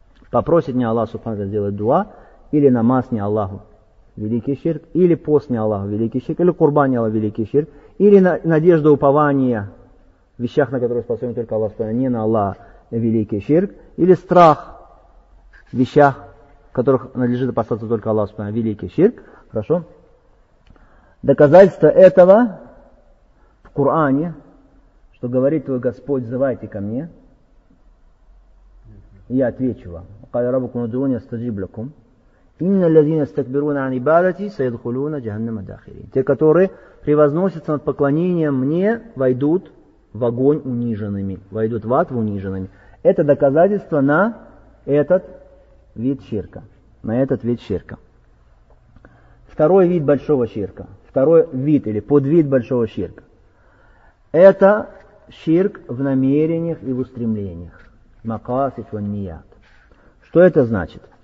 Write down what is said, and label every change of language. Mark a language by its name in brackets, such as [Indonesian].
[Russian] Попросит не Аллах Субхану Тааля сделать дуа, или намаз не Аллаху, великий ширк, или пост не Аллаху, великий ширк, или курбан не Аллаху, великий ширк, или надежда упования в вещах, на которые способен только Аллах Субхану Тааля, не на Аллах, великий ширк, или страх в вещах, которых надлежит опасаться только Аллах Субхану Тааля, великий ширк. Хорошо. Доказательство этого в Коране, что говорит твой Господь, взывайте ко мне, и я отвечу вам. [Arabic] قال ربكم ادعوني استجب لكم ان الذين يستكبرون عن عبادتي سيدخلون جهنم داخرين. [Russian] Те, которые превозносятся над поклонением мне, войдут в огонь униженными, войдут в ад униженными. Это доказательство на этот вид ширка, на этот вид ширка. Второй вид большого ширка, второй вид или подвид большого ширка, это ширк в намерениях и в устремлениях, макасид ва ния. Что это значит?